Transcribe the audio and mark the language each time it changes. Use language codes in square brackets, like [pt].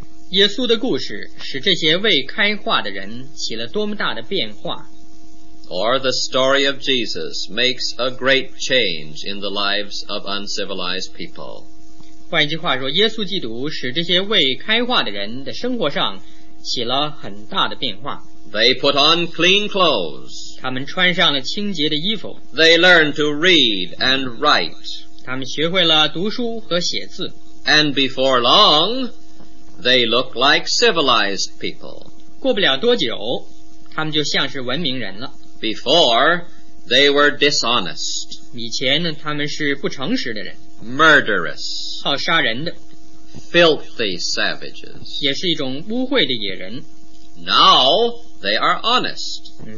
[zh] 耶稣的故事使这些未开化的人起了多么大的变化。 [en] Or the story of Jesus makes a great change in the lives of uncivilized people. [zh] 换一句话说，耶稣基督使这些未开化的人的生活上起了很大的变化。 [en] They put on clean clothes. [zh] 他们穿上了清洁的衣服。 [en] They learned to read and write. [zh] 他们学会了读书和写字。 [en] And before long, they look like civilized people. [zh] 过不了多久，他们就像是文明人了。 [en] Before, they were dishonest. [zh] 以前呢，他们是不诚实的人。 [en] Murderous. [zh] 好杀人的。 [en] Filthy savages. [zh] 也是一种污秽的野人。 [en] Now, they are honest.